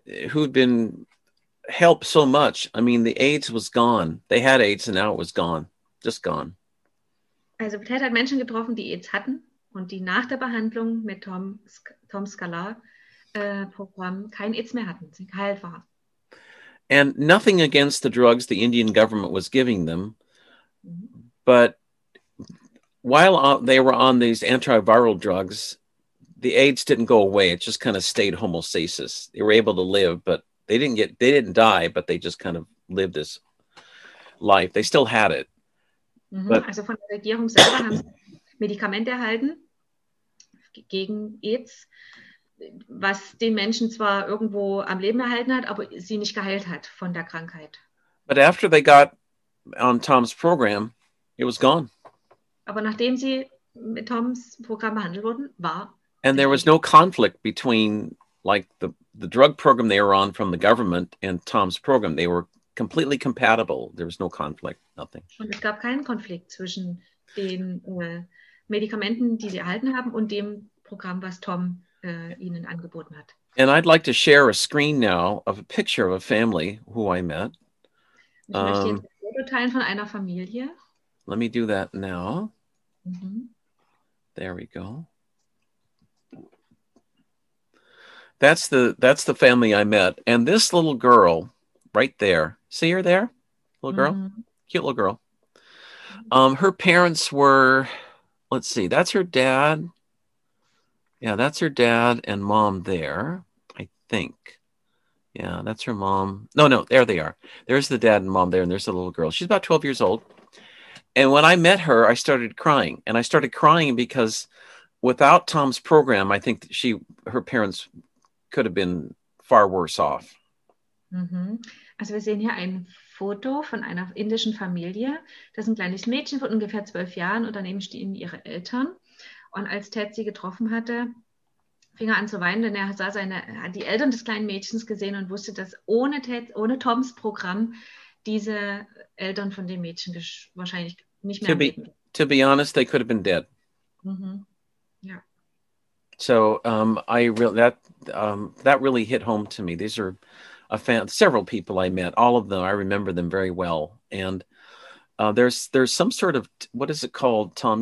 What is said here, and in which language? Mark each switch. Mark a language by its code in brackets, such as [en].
[en] who'd been helped so much. I mean, the AIDS was gone. They had AIDS and now it was gone. Just gone. [de] Also Ted hat Menschen getroffen, die AIDS hatten und die nach der Behandlung mit Tom Scalar Programm kein AIDS mehr hatten, sie geheilt waren. [en] And nothing against the drugs the Indian government was giving them. But while they were on these antiviral drugs, the AIDS didn't go away. It just kind of stayed homeostasis. They were able to live, but they didn't die, but they just kind of lived this life. They still had it. Mm-hmm. [de] But, also von der Regierung selber haben sie Medikamente erhalten gegen AIDS, was den Menschen zwar irgendwo am Leben erhalten hat, aber sie nicht geheilt hat von der Krankheit. [en] But after they got on Tom's program, it was gone. [de] Aber nachdem sie mit Toms Programm behandelt wurden, war. [en] And there was no conflict between like the drug program they were on from the government and Tom's program. They were completely compatible. There was no conflict, nothing. [de] Und es gab keinen Konflikt zwischen den Medikamenten, die sie erhalten haben, und dem Programm, was Tom ihnen angeboten hat. [en] And I'd like to share a screen now of a picture of a family who I met. [de] Ich möchte jetzt ein Foto von einer Familie. [en] Let me do that now. Mm-hmm. There we go. That's the family I met. And this little girl right there. See her there? Little girl? Mm-hmm. Cute little girl. Her parents were, let's see, that's her dad. Yeah, that's her dad and mom there, I think. Yeah, that's her mom. No, there they are. There's the dad and mom there, and there's the little girl. She's about 12 years old. And when I met her, I started crying. And I started crying because without Tom's program, I think that her parents could have been far worse off. Mm-hmm. [de] Also wir sehen hier ein Foto von einer indischen Familie. Das ist ein kleines Mädchen von ungefähr 12 Jahren und daneben stehen ihre Eltern. Und als Ted sie getroffen hatte, fing er an zu weinen, denn er sah die Eltern des kleinen Mädchens gesehen und wusste, dass ohne Toms Programm diese Eltern von dem Mädchen wahrscheinlich nicht mehr leben. [en] To be honest, they could have been dead. Mm-hmm. Yeah. So that really hit home to me. These are several people I met. All of them, I remember them very well. And there's some sort of, what is it called, Tom?